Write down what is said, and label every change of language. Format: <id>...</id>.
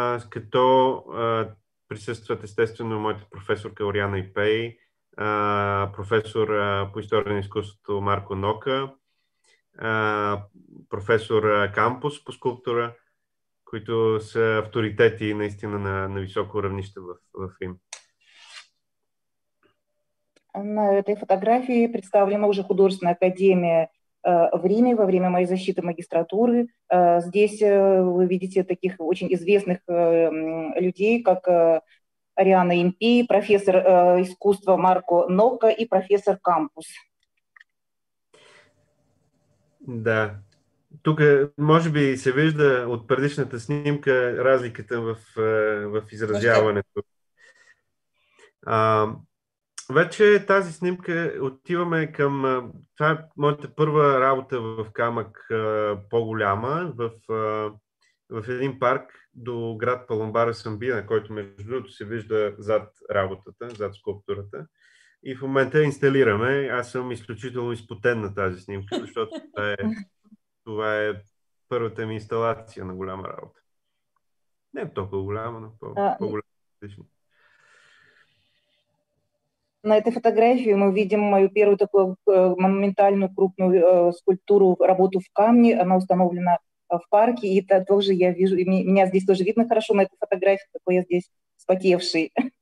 <bg>Като присъстват естествено моята професорка Ориана Ипей, професор по история на изкуството Марко Нока, професор Кампус по скулптура, които са авторитети наистина на високо равнище в Рим.</bg> <ru>На этой фотографии представлена уже художественная академия в Риме во время моей защиты магистратуры. Здесь вы видите таких очень известных людей, как Ориана Импей, профессор искусства Марко Нока и профессор Кампус. Да.</ru> <bg>Тук може би се вижда от предишната снимка разликата в изразяването. Вече тази снимка отиваме към... Това е моята първа работа в камък, по-голяма, в един парк до град Паломбара Самбина, който между другото се вижда зад работата, зад скулптурата. И в момента инсталираме. Аз съм изключително изпотен на тази снимка, защото това е първата ми инсталация на голяма работа. Не е толкова голяма, но по-голяма.</bg> <ru>На этой фотографии мы видим мою первую такую монументальную крупную скульптуру, работу в камне. Она установлена в парке, и это тоже я вижу. И меня здесь тоже видно хорошо на этой фотографии, какой я здесь вспотевший.</ru>